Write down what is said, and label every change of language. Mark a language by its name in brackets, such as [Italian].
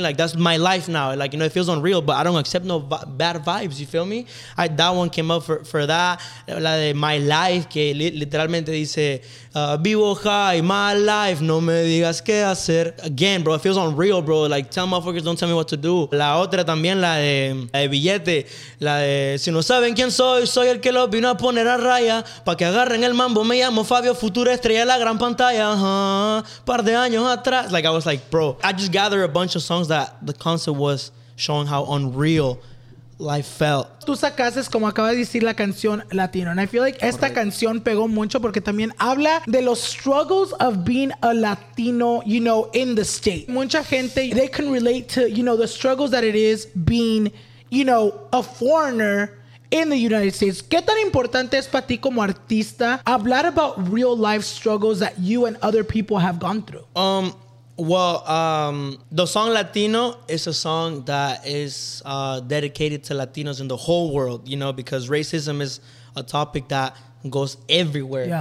[English] Like, that's my life now. Like, you know, it feels unreal, but I don't accept no bad vibes. You feel me? That one came up for that. [Spanish] La de My Life, que literalmente dice, vivo high, my life, no me digas qué hacer. [English] Again, bro, it feels unreal, bro. Like, tell motherfuckers, don't tell me what to do. [Spanish] La otra también, la de Billete. La de, si no saben quién soy, soy el que los vino a poner a raya. Pa' que agarren el mambo, me llamo Fabio, futura estrella de la gran pantalla. Par de años atrás. [English] Like, I was like, bro, I just gathered a bunch of songs that the concept was showing how unreal life felt. [Spanish] Tú sacaste, como acaba de decir, la canción Latino. [English] And I feel like correct. [Spanish] Esta canción pegó mucho porque también habla de los [English] struggles of being a Latino, you know, in the state. [Spanish] Mucha gente, [English] they can relate to, you know, the struggles that it is being, you know, a foreigner in the United States. [Spanish] ¿Qué tan importante es para ti como artista hablar [English] about real life struggles that you and other people have gone through? Well, the song Latino is a song that is dedicated to Latinos in the whole world, you know, because racism is a topic that goes everywhere.